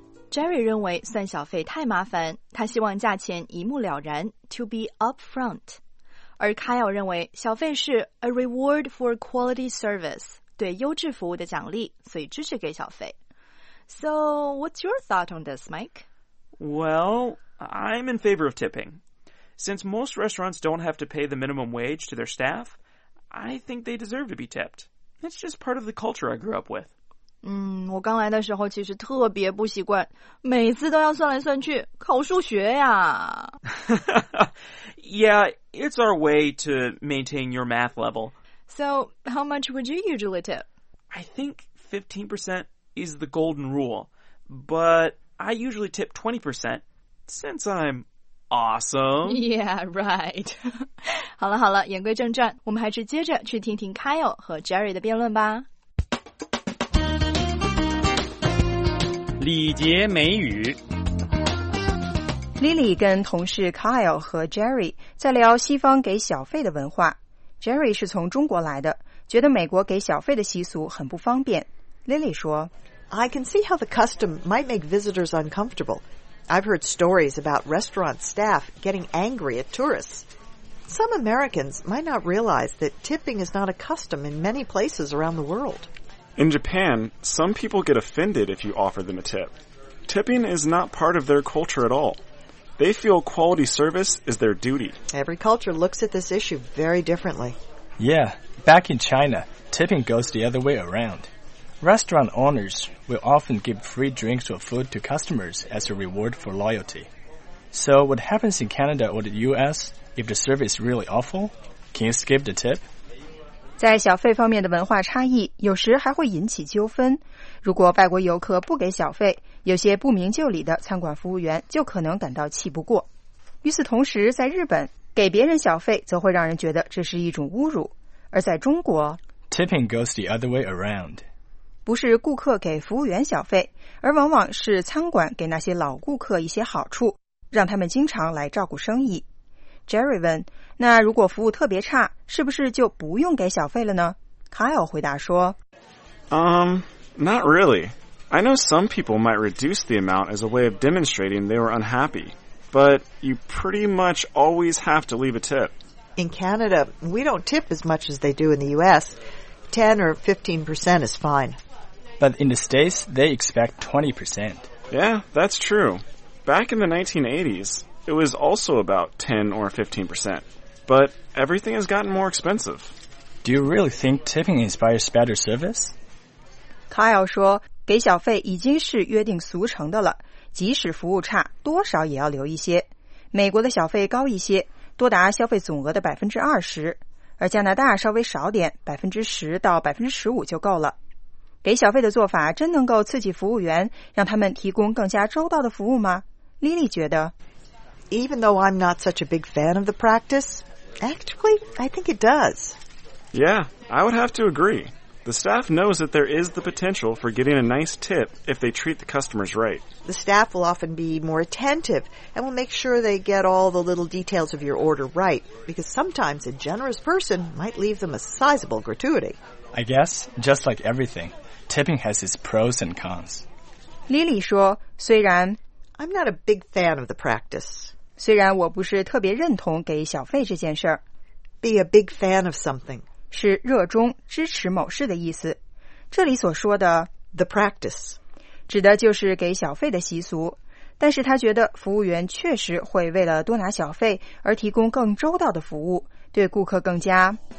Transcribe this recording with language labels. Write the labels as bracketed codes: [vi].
[zh] Jerry 认为算小费太麻烦，他希望价钱一目了然 , [en] to be upfront. [zh] 而 Kyle 认为小费是 [en] a reward for quality service, [zh] 对优质服务的奖励，所以支持给小费。 [en] So, what's your thought on this, Mike? Well, I'm in favor of tipping. Since most restaurants don't have to pay the minimum wage to their staff, I think they deserve to be tipped. It's just part of the culture I grew up with. [zh] 我刚来的时候其实特别不习惯，每次都要算来算去，考数学呀。 [en] Yeah, it's our way to maintain your math level. So, how much would you usually tip? I think 15% is the golden rule, but I usually tip 20% since I'm awesome. Yeah, right. [zh] 好了好了，言归正传，我们还是接着去听听 Kyle 和 Jerry 的辩论吧。礼节美语。 Lily 跟同事 Kyle 和 Jerry 在聊西方给小费的文化。 Jerry 是从中国来的，觉得美国给小费的习俗很不方便。 Lily 说， [en] I can see how the custom might make visitors uncomfortable. I've heard stories about restaurant staff getting angry at tourists. Some Americans might not realize that tipping is not a custom in many places around the world. In Japan, some people get offended if you offer them a tip. Tipping is not part of their culture at all. They feel quality service is their duty. Every culture looks at this issue very differently. Yeah, back in China, tipping goes the other way around. Restaurant owners will often give free drinks or food to customers as a reward for loyalty. So what happens in Canada or the US, if the service is really awful, can you skip the tip? [zh] 在小费方面的文化差异有时还会引起纠纷。如果外国游客不给小费，有些不明就里的餐馆服务员就可能感到气不过。与此同时，在日本，给别人小费则会让人觉得这是一种侮辱。而在中国， [en] Tipping goes the other way around. [zh] 不是顾客给服务员小费，而往往是餐馆给那些老顾客一些好处，让他们经常来照顾生意。 Jerry 问，那如果服务特别差，是不是就不用给小费了呢？ Kyle 回答说， [en] Not really. I know some people might reduce the amount as a way of demonstrating they were unhappy, but you pretty much always have to leave a tip. In Canada, we don't tip as much as they do in the US. 10 or 15% is fine. But in the States, they expect 20%. Yeah, that's true. Back in the 1980s,It was also about 10 or 15%, but everything has gotten more expensive. Do you really think tipping inspires better service? [zh] Kyle 说，给小费已经是约定俗成的了，即使服务差，多少也要留一些。美国的小费高一些，多达消费总额的 20%, 而加拿大稍微少点 ,10% 到 15% 就够了。给小费的做法真能够刺激服务员，让他们提供更加周到的服务吗？ Lily 觉得， [en] Even though I'm not such a big fan of the practice, actually, I think it does. Yeah, I would have to agree. The staff knows that there is the potential for getting a nice tip if they treat the customers right. The staff will often be more attentive and will make sure they get all the little details of your order right, because sometimes a generous person might leave them a sizable gratuity. I guess, just like everything, tipping has its pros and cons. [zh] Lily 说，虽然 [en] I'm not a big fan of the practice. [zh] 虽然我不是特别认同给小费这件事儿。 [en] Be a big fan of something. [zh] 是热衷、支持某事的意思。这里所说的 [en] the practice [zh] 指的就是给小费的习俗。但是他觉得服务员确实会为了多拿小费而提供更周到的服务，对顾客更加